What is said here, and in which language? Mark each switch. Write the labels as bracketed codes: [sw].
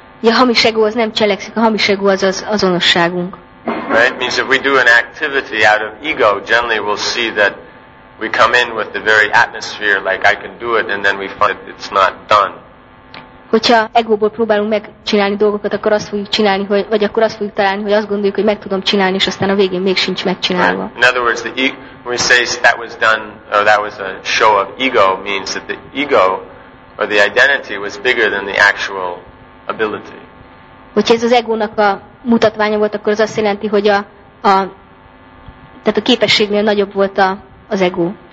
[hu] Ja, hamis ego az nem cselekszik. A hamis ego az azonosságunk. [en] Right? Means if we do an activity out of ego, generally we'll see that we come in with the very atmosphere, like I can do it, and then we find that it's not done. [hu] Hogyha egóból próbálunk megcsinálni dolgokat, akkor azt fogjuk csinálni, vagy akkor azt fogjuk találni, hogy azt gondoljuk, hogy meg tudom csinálni, és aztán a végén még sincs megcsinálva. [en] In other words, the ego, when we say that was done, or that was a show of ego, means that the ego, or the identity, was bigger than the actual ability. [hu] Hogyha ez az egónak a mutatványa volt, akkor az azt jelenti, hogy tehát a képességnél nagyobb volt az ego.